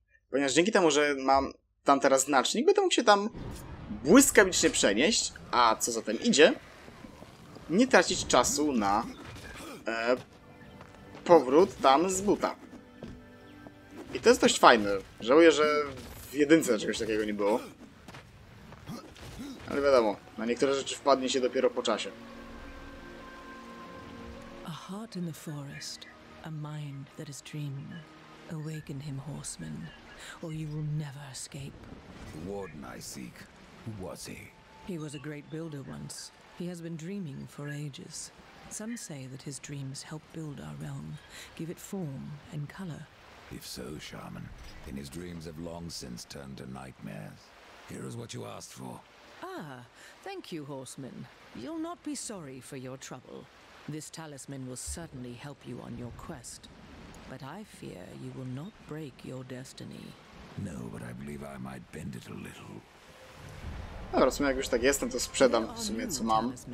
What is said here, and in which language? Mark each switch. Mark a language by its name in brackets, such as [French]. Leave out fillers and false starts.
[Polish] Ponieważ dzięki temu, że mam tam teraz znacznik, będę mógł się tam błyskawicznie przenieść, a co za tym idzie, nie tracić czasu na powrót tam z buta. I to jest dość fajne. Żałuję, że w jedynce czegoś takiego nie było. Ale wiadomo, na niektóre rzeczy wpadnie się dopiero po czasie. [English] A heart in the forest, a mind that is dreaming. Awaken him, horseman, or you will never escape. The warden I seek, who was he? He was a great builder once. He has been dreaming for ages. Some say that his dreams help build our realm, give it form and color. If so, Shaman, then his dreams have long since turned to nightmares. Here is what you asked for. Ah, thank you, horseman. You'll not be sorry for your trouble. This talisman will certainly help you on your quest. But I fear you will not break your destiny. No, but I believe I might bend it a little. [Polish] Dobra, w sumie jak już tak jestem, to sprzedam w sumie co mam.